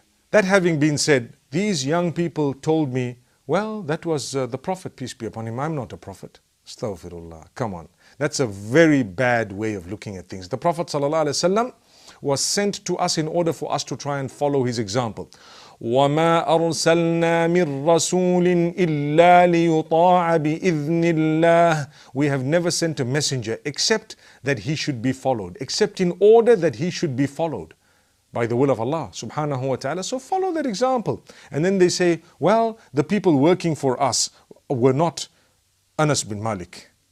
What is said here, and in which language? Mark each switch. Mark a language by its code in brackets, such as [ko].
[en] That having been said, these young people told me, "Well, that was the Prophet, peace be upon him. I'm not a prophet." Astaghfirullah. Come on. That's a very bad way of looking at things. The Prophet sallallahu alaihi wasallam was sent to us in order for us to try and follow his example. [ar] وما أرسلنا من رسول إلا ليطاع بإذن الله. [en] We have never sent a messenger except that he should be followed, except in order that he should be followed by the will of Allah subhanahu wa ta'ala. So follow that example. And then they say, well, the people working for us were not Anas bin Malik.